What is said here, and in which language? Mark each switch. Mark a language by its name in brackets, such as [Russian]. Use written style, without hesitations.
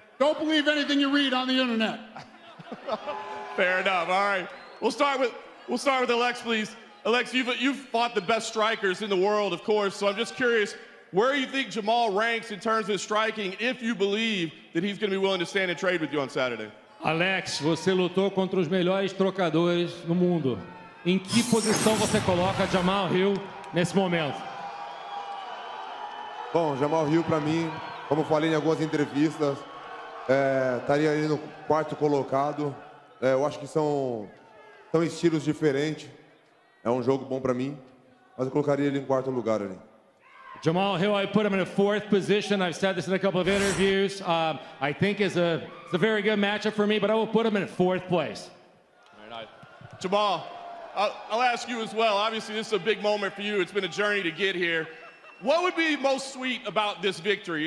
[English] Don't believe anything you read on the internet. Fair enough. All right. We'll start with Alex, please. Alex, you've fought the best strikers in the world, of course, so I'm just curious, where you think Jamahal ranks in terms of striking if you believe that he's going to be willing to stand and trade with you on Saturday? [Portuguese] Alex, você lutou contra os melhores trocadores no mundo. Em que posição você coloca Jamahal Hill nesse momento? Bom, Jamahal Hill, para mim, como falei em algumas entrevistas, estaria ali no quarto colocado. Eu acho que são estilos diferentes. É jogo bom para mim, mas eu colocaria ele em quarto lugar ali. [English] Jamahal Hill, I put him in a fourth position. I've said this in a couple of interviews. I think it's a very good matchup for me, but I will put him in fourth place. Jamahal, I'll ask you as well. Obviously, this is a big moment for you. It's been a journey to get here. What would be most sweet about this victory?